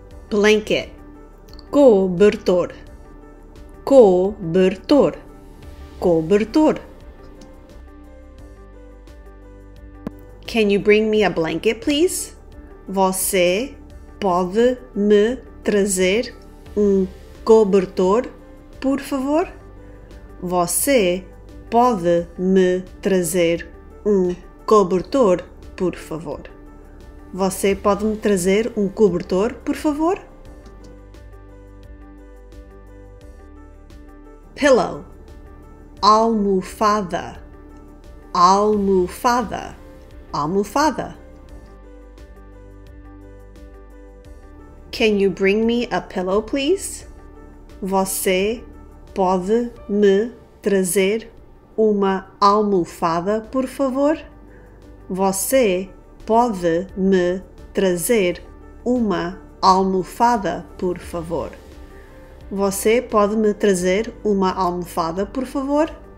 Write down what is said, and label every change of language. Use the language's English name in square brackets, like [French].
[Portuguese] Blanket. Cobertor. Cobertor. Cobertor. [English] Can you bring me a blanket, please? [Portuguese] Você pode me trazer cobertor, por favor? Você pode me trazer cobertor, por favor? Você pode me trazer cobertor, por favor? Pillow. Almofada. Almofada. Almofada. [English] Can you bring me a pillow, please? [Portuguese] Você pode me trazer uma almofada, por favor? Você pode me trazer uma almofada, por favor? Você pode me trazer uma almofada, por favor?